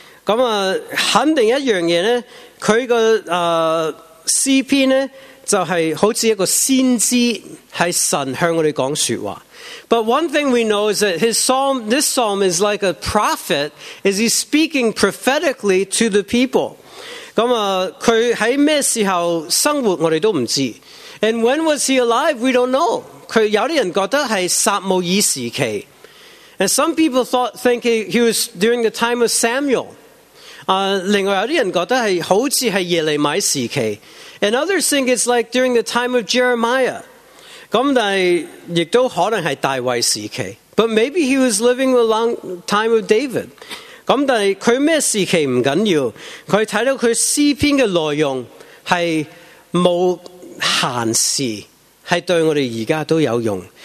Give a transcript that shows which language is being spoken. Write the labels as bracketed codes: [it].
[yue] 咁啊，肯定一樣嘢咧，佢個詩篇咧就係好似一個先知，係神向我哋講説話。 [en] But one thing we know is that this psalm is like a prophet, is he speaking prophetically to the people. [yue] 咁啊，佢喺咩时候生活我哋都唔知。 [en] And when was he alive? We don't know. [yue] 佢有啲人觉得系撒母耳时期。 [en] And some people think he was during the time of Samuel. [yue] 另外有啲人觉得系好似系耶利米时期。 [en] And others think it's like during the time of Jeremiah. [yue] 咁但系亦都可能系大卫时期 ， [en] but maybe he was living a long time of David。 [yue] 咁但系佢咩时期唔紧要，佢睇到佢诗篇嘅内容系冇闲事，系对我哋而家都有用。